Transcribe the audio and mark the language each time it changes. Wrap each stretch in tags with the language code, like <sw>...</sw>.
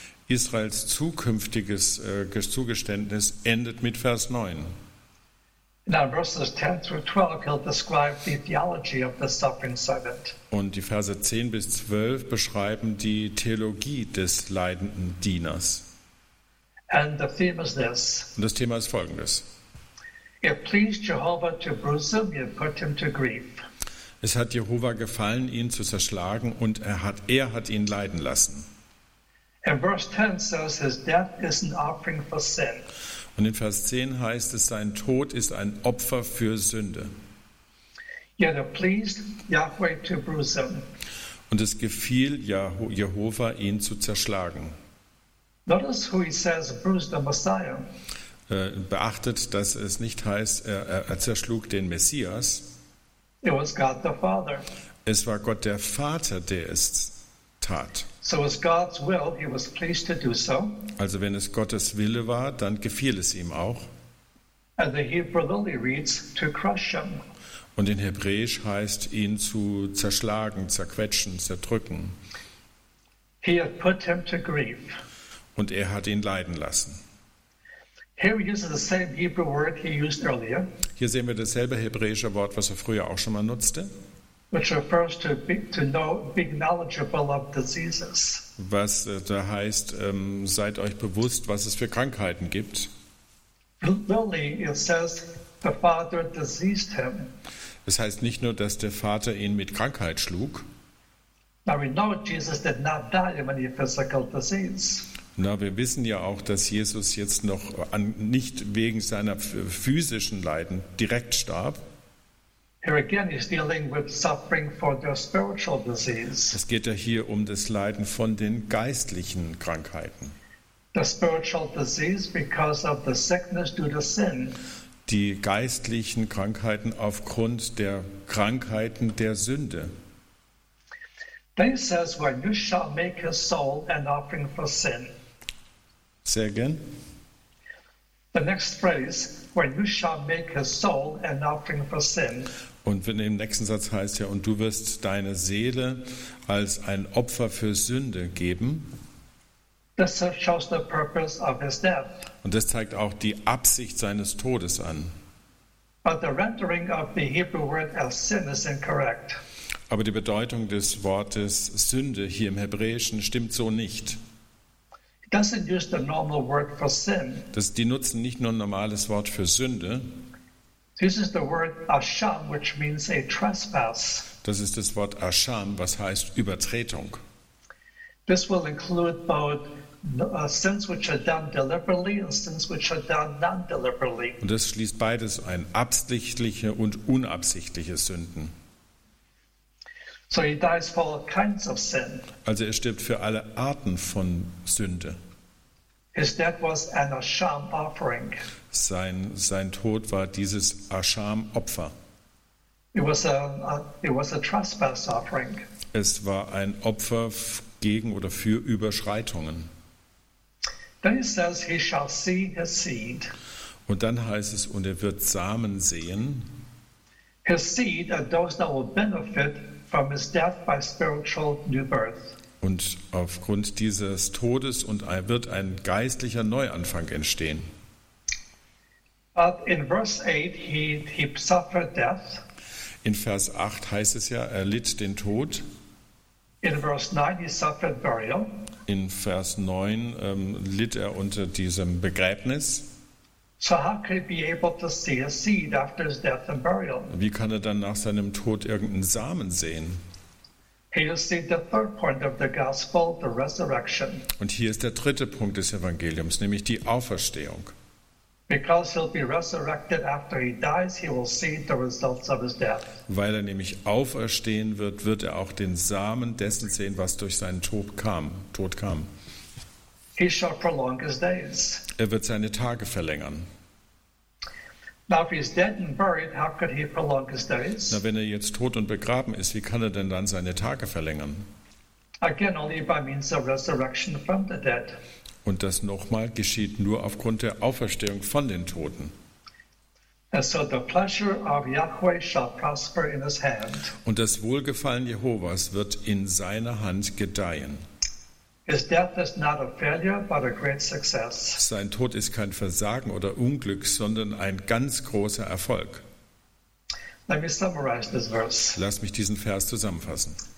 <de>Israels zukünftiges Zugeständnis endet mit Vers 9.</de> <en>Now verses 10 through 12 he'll describe the theology of the suffering servant.</en> <de>Und die Verse 10 bis 12 beschreiben die Theologie des leidenden Dieners.</de> <en>And the theme is this.</en> <de>Und das Thema ist folgendes.</de> <en>It pleased Jehovah to bruise him, you put him to grief.</en> <de>Es hat Jehova gefallen, ihn zu zerschlagen, und er hat ihn leiden lassen.</de> <en>And verse 10 says his death is an offering for sin.</en> <de>Und in Vers 10 heißt es, sein Tod ist ein Opfer für Sünde.</de> <en>Yet it pleased Yahweh to bruise him.</en> <de>Und es gefiel Jehova, ihn zu zerschlagen.</de> <en>Notice who he says bruised the Messiah.</en> <de>Beachtet, dass es nicht heißt, er zerschlug den Messias.</de> <en>It was God the Father.</en> <de>Es war Gott der Vater, der es tat.</de> <en>So was God's will, he was pleased to do so.</en> <de>Also wenn es Gottes Wille war, dann gefiel es ihm auch.</de> <en>And the Hebrew literally reads, to crush him.</en> <de>Und in Hebräisch heißt, ihn zu zerschlagen, zerquetschen, zerdrücken.</de> <en>He had put him to grief.</en> <de>Und er hat ihn leiden lassen.</de> <en>Here he uses the same Hebrew word he used earlier.</en> <de>Hier sehen wir dasselbe hebräische Wort, was er früher auch schon mal nutzte.</de> <en>Which refers to be knowledgeable of diseases.</en> <de>Was da heißt, seid euch bewusst, was es für Krankheiten gibt.</de> <en>Literally, it says the father diseased him.</en> <de>Das heißt nicht nur, dass der Vater ihn mit Krankheit schlug.</de> <en>Now we know Jesus did not die of any physical disease.</en> <de>Na, wir wissen ja auch, dass Jesus jetzt noch nicht wegen seiner physischen Leiden direkt starb.</de> <en>Here again he's dealing with suffering for their spiritual disease.</en> <de>Es geht ja hier um das Leiden von den geistlichen Krankheiten.</de> <en>The spiritual disease because of the sickness due to sin.</en> <de>Die geistlichen Krankheiten aufgrund der Krankheiten der Sünde.</de> <en>Then he says, when you shall make his soul an offering for sin. Say again. The next phrase, when you shall make his soul an offering for sin.</en> <de>Und in dem nächsten Satz heißt ja, und du wirst deine Seele als ein Opfer für Sünde geben.</de> <en>This shows the purpose of his death.</en> <de>Und das zeigt auch die Absicht seines Todes an.</de> <en>But the rendering of the Hebrew word as sin is incorrect.</en> <de>Aber die Bedeutung des Wortes Sünde hier im Hebräischen stimmt so nicht.</de> <en>Doesn't use the normal word for sin.</en> <de>Die nutzen nicht nur ein normales Wort für Sünde.</de> <en>This is the word asham, which means a trespass.</en> <de>Das ist das Wort asham, was heißt Übertretung.</de> <en>This will include both sins which are done deliberately and sins which are done non-deliberately.</en> <de>Und das schließt beides ein, absichtliche und unabsichtliche Sünden.</de> <en>So he dies for all kinds of sin.</en> <de>Also er stirbt für alle Arten von Sünde.</de> <en>His death was an asham offering.</en> <de>Sein Tod war dieses Asham-Opfer.</de> <en>It was a trespass offering.</en> <de>Es war ein Opfer gegen oder für Überschreitungen.</de> <en>Then he says he shall see his seed.</en> <de>Und dann heißt es, und er wird Samen sehen.</de> <en>His seed are those that will benefit from his death by spiritual new birth.</en> <de>Und aufgrund dieses Todes und wird ein geistlicher Neuanfang entstehen.</de> <en>But in verse 8 he suffered death.</en> <de>In Vers 8 heißt es ja, er litt den Tod.</de> <en>In verse 9 he suffered burial.</en> <de>In Vers 9 litt er unter diesem Begräbnis.</de> <en>So how could he be able to see a seed after his death and burial?</en> <de>Wie kann er dann nach seinem Tod irgendeinen Samen sehen?</de> <en>Here is the third point of the gospel, the resurrection.</en> <de>Und hier ist der dritte Punkt des Evangeliums, nämlich die Auferstehung.</de> <en>Because he'll be resurrected after he dies, he will see the results of his death.</en> <de>Weil er nämlich auferstehen wird, wird er auch den Samen dessen sehen, was durch seinen Tod kam.</de> <en>He shall prolong his days.</en> <de>Er wird seine Tage verlängern.</de> <en>Now, if he's dead and buried, how could he prolong his days?</en> <de>Na, wenn er jetzt tot und begraben ist, wie kann er denn dann seine Tage verlängern?</de> <en>Again, only by means of resurrection from the dead.</en> <de>Und das nochmal geschieht nur aufgrund der Auferstehung von den Toten.</de> <en>And so the pleasure of Yahweh shall prosper in his hand.</en> <de>Und das Wohlgefallen Jehovas wird in seiner Hand gedeihen.</de> <en>His death is not a failure, but a great success.</en> <de>Sein Tod ist kein Versagen oder Unglück, sondern ein ganz großer Erfolg.</de> <en>Let me summarize this verse.</en> <de>Lass mich diesen Vers zusammenfassen.</de>